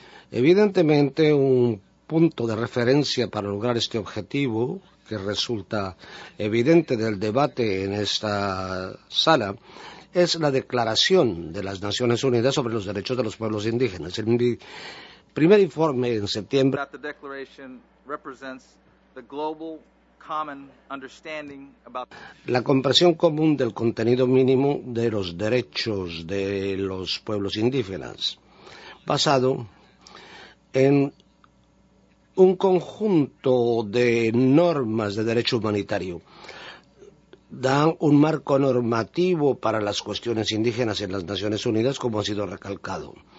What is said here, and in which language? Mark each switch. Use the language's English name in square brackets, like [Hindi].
[Spanish] Evidentemente, un punto de referencia para lograr este objetivo, que resulta evidente del debate en esta sala, es la Declaración de las Naciones Unidas sobre los Derechos de los Pueblos Indígenas. El primer informe en septiembre. [English] The declaration represents the global common understanding about... [Spanish] La comprensión común del contenido mínimo de los derechos de los pueblos indígenas, basado en un conjunto de normas de derecho humanitario, dan un marco normativo para las cuestiones indígenas en las Naciones Unidas, como ha sido recalcado.